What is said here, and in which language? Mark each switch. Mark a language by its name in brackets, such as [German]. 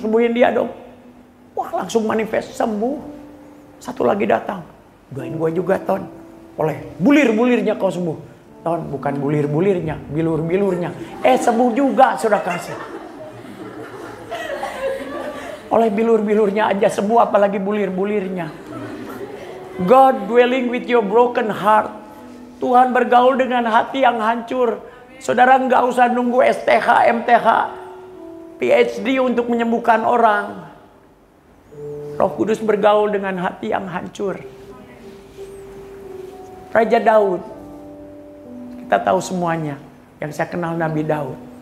[Indonesian] Sembuhin dia dong. Wah langsung manifest, sembuh. Satu lagi datang. Doain gue juga Ton. Boleh, bulir-bulirnya kau sembuh. Ton, bukan bulir-bulirnya, bilur-bilurnya. Sembuh juga sudah kasih. Oleh bilur-bilurnya aja sembuh, apalagi bulir-bulirnya. [English] God dwelling with your broken heart. [Indonesian] Tuhan bergaul dengan hati yang hancur. Saudara gak usah nunggu STH, MTH, PhD untuk menyembuhkan orang. Roh Kudus bergaul dengan hati yang hancur. Raja Daud, kita tahu semuanya, yang saya kenal Nabi Daud.